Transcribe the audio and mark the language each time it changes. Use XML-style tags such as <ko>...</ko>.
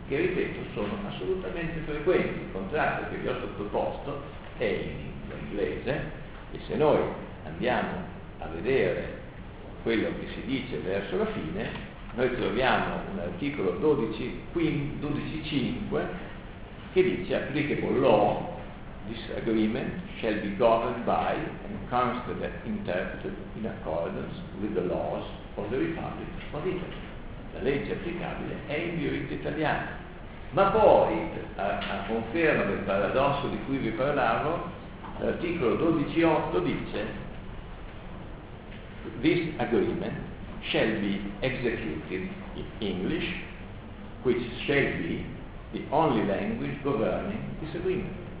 <it>Che ripeto, sono assolutamente frequenti. Il contratto che vi ho sottoposto è in lingua inglese e se noi andiamo a vedere quello che si dice verso la fine, noi troviamo un articolo 12.5 che dice applicable law.</it> <en>This agreement shall be governed by and constantly interpreted in accordance with the laws on the Republic,</en> <it>ma dite, la legge applicabile è il diritto italiano. Ma poi, a conferma del paradosso di cui vi parlavo, l'articolo 12.8 dice:</it> <en>this agreement shall be executed in English, which shall be the only language governing this agreement.</en>